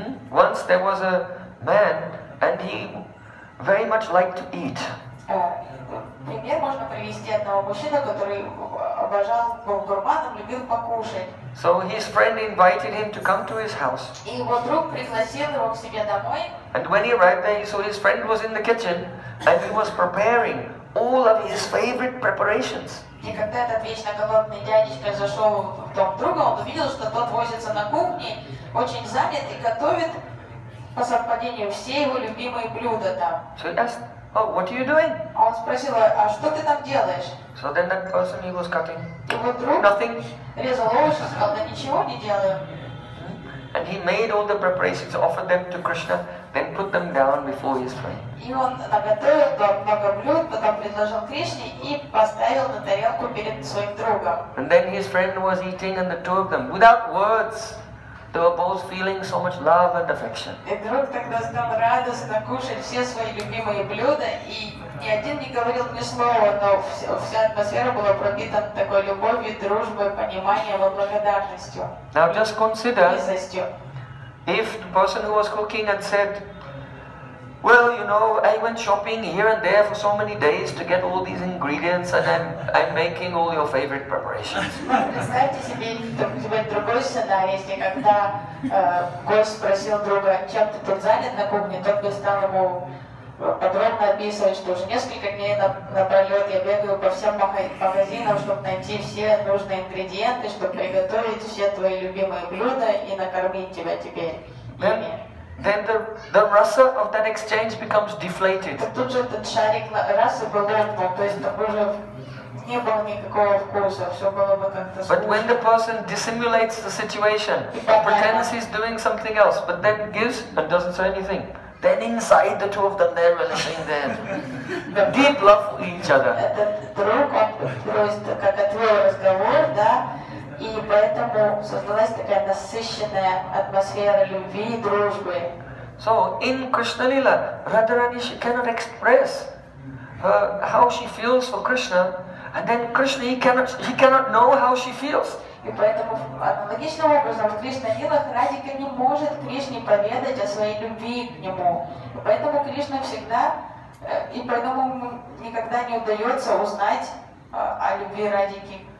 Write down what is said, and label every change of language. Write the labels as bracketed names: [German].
[English] Once there was a man and he very much liked to eat. [Russian] Пример можно привести одного мужчины, который обожал гурманом, любил покушать. [English] So his friend invited him to come to his house. [Russian] И его друг пригласил его к себе домой. [English] And when he arrived there, he saw his friend was in the kitchen and he was preparing all of his favorite preparations. [Russian] И когда этот вечно голодный дядечка зашел в дом друга, он увидел, что тот возится на кухне, очень занят и готовит по совпадению все его любимые блюда там. [English] So he asked, oh, what are you doing? [Russian] Он спросил, а что ты там делаешь? [English] So then that person he was cutting. [Russian] И вот друг [English] nothing. [Russian] Резал овощи, сказал, да ничего не делаю. [English] And he made all the preparations, offered them to Krishna, then put them down before his friend. [Russian] И он наготовил много блюд, потом предложил Кришне и поставил на тарелку перед своим другом. [English] And then his friend was eating, and the two of them, without words, they were both feeling so much love and affection. [Russian] И друг тогда стал радостно кушать все свои любимые блюда, и ни один не говорил ни слова, но вся атмосфера была пропитана такой любовью, дружбой, пониманием, благодарностью. [English] Now just consider, if the person who was cooking had said, well, you know, I went shopping here and there for so many days to get all these ingredients and I'm making all your favorite preparations. [Russian] Представьте себе другой сценарий, если когда гость спросил друга, чем ты тут занят на кухне, тот бы стал ему подробно описывать, что уже несколько дней напролет я бегаю по всем магазинам, чтобы найти все нужные ингредиенты, чтобы приготовить все твои любимые блюда и накормить тебя теперь ими. [English] Then the rasa of that exchange becomes deflated. [Russian] Тут же этот шарик расы был лопнул, то есть там уже не было никакого вкуса, все было бы как-то скучно. [English] But when the person dissimulates the situation, pretends he's doing something else, but then gives and doesn't say anything, then inside the two of them they're relishing their deep love for each other. [Russian] Этот друг, он просто как отвел разговор, да? И поэтому создалась такая насыщенная атмосфера любви и дружбы. [English] So in Krishna Lila, Radharani she cannot express how she feels for Krishna, and then Krishna he cannot know how she feels. [Russian] И поэтому аналогичным образом в Кришна Лилах Радика не может Кришне поведать о своей любви к нему. И поэтому Кришна всегда и поэтому никогда не удается узнать о любви Радики.